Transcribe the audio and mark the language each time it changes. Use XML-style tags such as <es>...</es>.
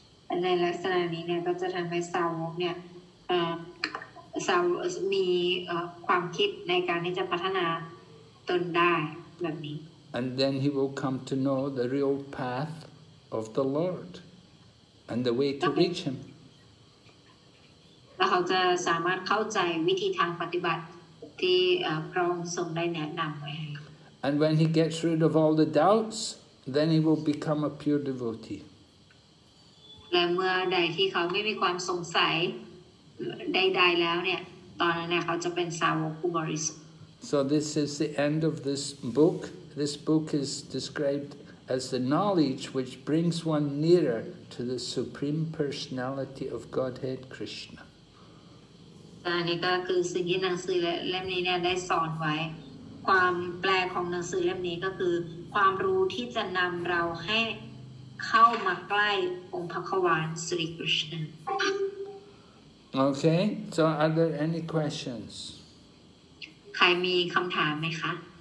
<en>And then he will come to know the real path of the Lord and the way to reach him.</en> <th>แล้วเขาจะสามารถเข้าใจวิธีทางปฏิบัติที่พระองค์ทรงได้แนะนำไว้</th> <en>And when he gets rid of all the doubts, then he will become a pure devotee.</en> <th>และเมื่อใดที่เขาไม่มีความสงสัยใดๆแล้วเนี่ยตอนนั้นเนี่ยเขาจะเป็นสาวกผู้บริสุทธิ์</th> <en>So this is the end of this book. This book is described as the knowledge which brings one nearer to the Supreme Personality of Godhead Krishna.</en> <th>อันนี้ก็คือสิ่งที่หนังสือเล่มนี้เนี่ยได้สอนไว้ความแปลของหนังสือเล่มนี้ก็คือความรู้ที่จะนำเราให้เข้ามาใกล้องค์พระควานสรีกริชน</th> <en>โอเค so are there any questions</en> <th>ใครมีคำถามไหมคะ</th>